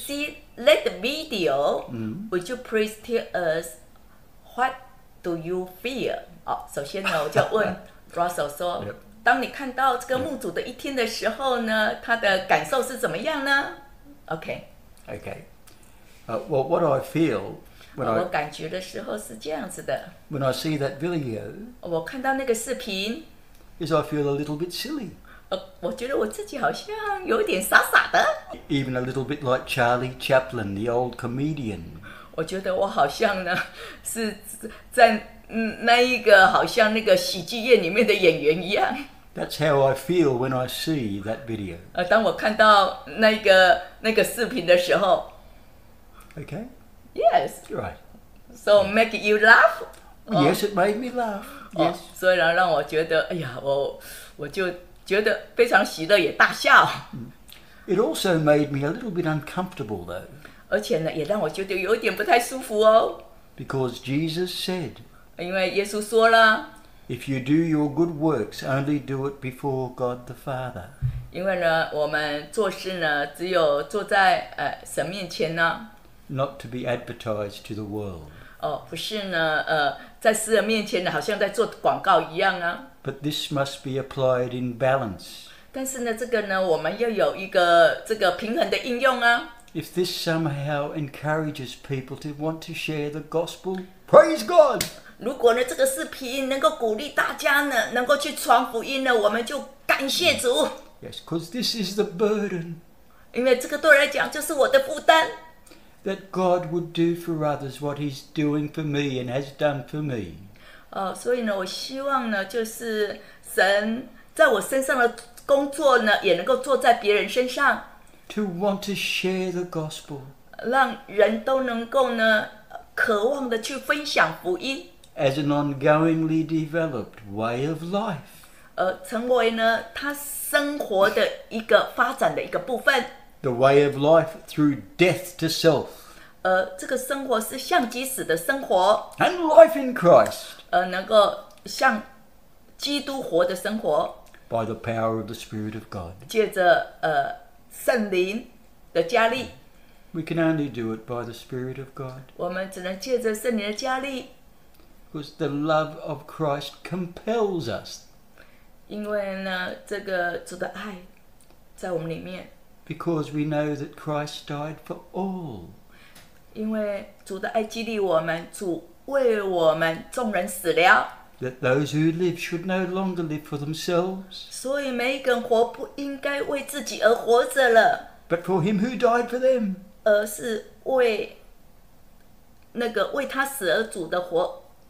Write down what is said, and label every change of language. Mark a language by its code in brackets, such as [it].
[en] see that video, would you please tell us what do you feel? [zh] 首先呢，我就问 Russell 说。当你看到这个牧主的一天的时候呢，他的感受是怎么样呢？OK， [en] Okay. What I feel [zh] 我感觉的时候是这样子的。 [en] when I see that video [zh] 我看到那个视频， [en] is I feel a little bit silly. [zh] 我觉得我自己好像有点傻傻的。 [en] Even a little bit like Charlie Chaplin, the old comedian. [zh] 我觉得我好像呢，是在。那一个好像那个喜剧院里面的演员一样。 [en] That's how I feel when I see that video. [zh] 当我看到那个视频的时候 [en] ，Okay, yes, right, so make you laugh. Yes, it made me laugh. Yes, [zh] 虽然让我觉得，哎呀，我就觉得非常喜乐，也大笑。 [en] It also made me a little bit uncomfortable, though. [zh] 而且呢，也让我觉得有点不太舒服哦。 [en] Because Jesus said. [zh] 因为耶稣说了， [en] If you do your good works, only do it before God the Father. [zh] 因为呢，我们做事呢，只有做在神面前呢。 [en] Not to be advertised to the world. [zh] 不是呢，在世人面前呢，好像在做广告一样啊。 [en] But this must be applied in balance. [zh] 但是呢，这个呢，我们要有一个这个平衡的应用啊。 [en] If this somehow encourages people to want to share the gospel, praise God. [zh] 如果呢，这个视频能够鼓励大家呢，能够去传福音呢，我们就感谢主。 [en] Yes, because this is the burden. [zh] 因为这个对我来讲就是我的负担。 [en] That God would do for others what He's doing for me and has done for me. [zh] 所以呢，我希望呢，就是神在我身上的工作呢，也能够做在别人身上。 [en] To want to share the gospel. [zh] 让人都能够呢，渴望的去分享福音。 [en] As an ongoingly developed way of life. [zh] 成为呢，他生活的一个发展的一个部分。 [en] The way of life through death to self. [zh] 这个生活是向基死的生活。 [en] And life in Christ. [zh] 能够向基督活的生活。 [en] By the power of the Spirit of God. [zh] 借着圣灵的加力。 [en] We can only do it by the Spirit of God. [zh] 我们只能借着圣灵的加力。 [en] Because the love of Christ compels us. [zh] 因为呢，这个主的爱在我们里面。 [en] Because we know that Christ died for all. [zh] 因为主的爱激励我们，主为我们众人死了。 [en] That those who live should no longer live for themselves. [zh] 所以每一个人活不应该为自己而活着了。 [en] But for him who died for them. [zh] 而是为那个为他死而主的活。